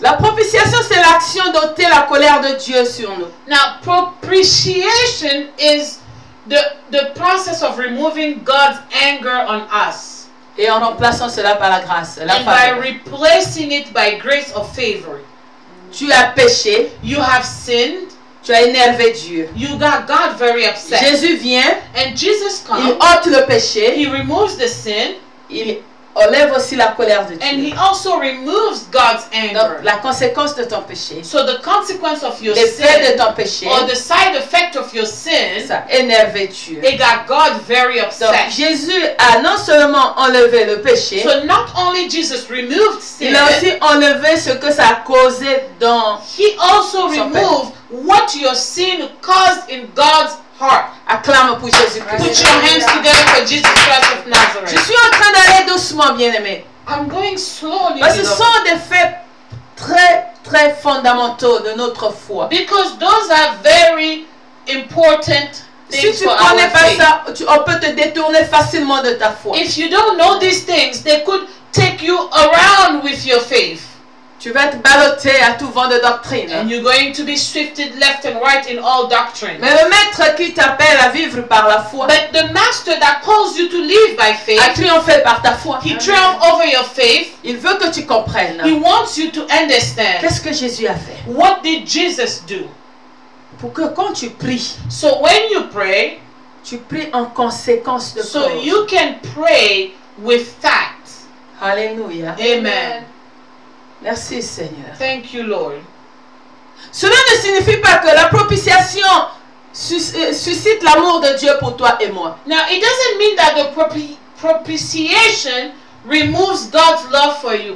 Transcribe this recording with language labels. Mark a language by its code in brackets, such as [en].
[fr] La propitiation, c'est l'action d'ôter la colère de Dieu sur nous. [en] Now, propitiation is the process of removing God's anger on us. [fr] Et en remplaçant cela par la grâce, la [en] and favor. By replacing it by grace or favor. [fr] Tu as péché. [en] You have sinned. [fr] Tu as énervé Dieu. [en] You got God very upset. [fr] Jésus vient. [en] And Jesus comes. [fr] Il ôte le péché. [en] He removes the sin. [fr] Il enlève aussi la colère de Dieu. [en] And he also removes God's anger. [fr] Donc, la conséquence de ton péché. [en] So the consequence of your sin. [fr] L'effet de ton péché. [en] Or the side effect of your sin. [fr] Ça énervait Dieu. [en] It got God very upset. [fr] Donc, Jésus a non seulement enlevé le péché. [en] So not only Jesus removed sin. [fr] Il a aussi enlevé ce que ça causait dans son père. [en] He also removed what your sin caused in God's heart. [fr] Acclame pour Jésus-Christ. [en] Put your hands together for Jesus Christ of Nazareth. [fr] Je suis en train d'aller doucement, bien-aimé. [en] I'm going slowly. [fr] Parce que ce sont des faits très, très fondamentaux de notre foi. [en] Because those are very important things for our faith. [fr] Si tu connais pas ça, on peut te détourner facilement de ta foi. [en] If you don't know these things, they could take you around with your faith. [fr] Tu vas être ballotté à tout vent de doctrine. [en] And you're going to be swifted left and right in all doctrine. [fr] Mais le maître qui t'appelle à vivre par la foi. [en] But the master that calls you to live by faith. [fr] A triomphé par ta foi. [en] He triumphed over your faith. [fr] Il veut que tu comprennes. [en] He wants you to understand. [fr] Qu'est-ce que Jésus a fait? [en] What did Jesus do? [fr] Pour que quand tu pries. [en] So when you pray. [fr] Tu pries en conséquence de [en] so cause. You can pray with facts. [fr] Alléluia. [en] Amen. [fr] Merci Seigneur. [en] Thank you Lord. [fr] Cela ne signifie pas que la propitiation suscite l'amour de Dieu pour toi et moi. [en] Now it doesn't mean that the propitiation removes God's love for you.